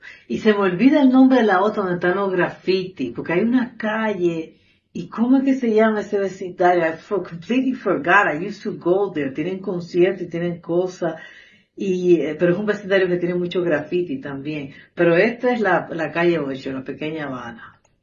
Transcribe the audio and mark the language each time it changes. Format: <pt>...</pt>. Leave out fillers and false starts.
<es>Y se me olvida el nombre de la otra donde están los graffiti, porque hay una calle, ¿y cómo es que se llama ese vecindario?</es> <en>I completely forgot, I used to go there.</en> <es>Tienen conciertos y tienen cosas, pero es un vecindario que tiene mucho graffiti también. Pero esta es la calle 8, la pequeña Habana.</es>